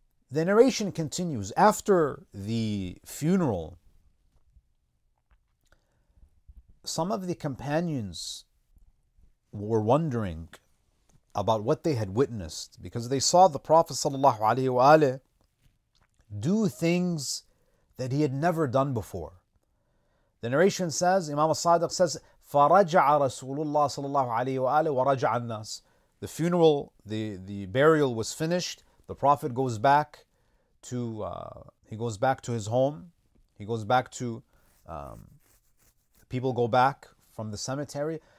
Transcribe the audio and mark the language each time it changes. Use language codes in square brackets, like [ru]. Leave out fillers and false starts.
[en] The narration continues. After the funeral, some of the companions were wondering about what they had witnessed, because they saw the Prophet sallallahu alaihi wasallam do things that he had never done before. The narration says, Imam al-Sadiq says, [ar] فَرَجَعَ رَسُولُ اللَّهِ صَلَى اللَّهُ عَلَيْهِ وَآلِهِ وَرَجَعَ النَّاسِ. [en] The funeral, the burial was finished. The Prophet goes back to his home. He goes back to people go back from the cemetery.